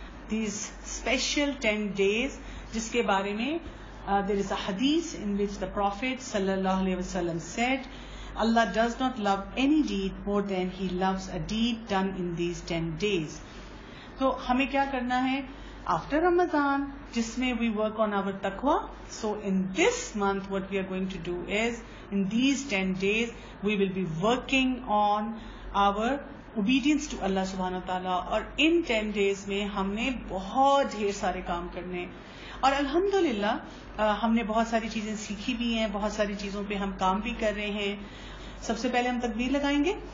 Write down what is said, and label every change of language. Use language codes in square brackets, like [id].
[en] these special 10 days [ur] جس کے بارے میں [en] There is a حدیث in which the prophet صلی اللہ علیہ وسلم said, Allah does not love any deed more than He loves a deed done in these 10 days. [ur] So, hame kya karna hai? [en] After Ramadan, [ur] jisme [en] we work on our taqwa, so in this month what we are going to do is, in these 10 days, we will be working on our obedience to Allah subhanahu wa ta'ala. [ur] Aur [en] in 10 days [ur] mein humne bahut dher sare kaam karne hain. اور الحمدللہ ہم نے بہت ساری چیزیں سیکھی بھی ہیں، بہت ساری چیزوں پہ ہم کام بھی کر رہے ہیں. سب سے پہلے ہم تکبیر لگائیں گے.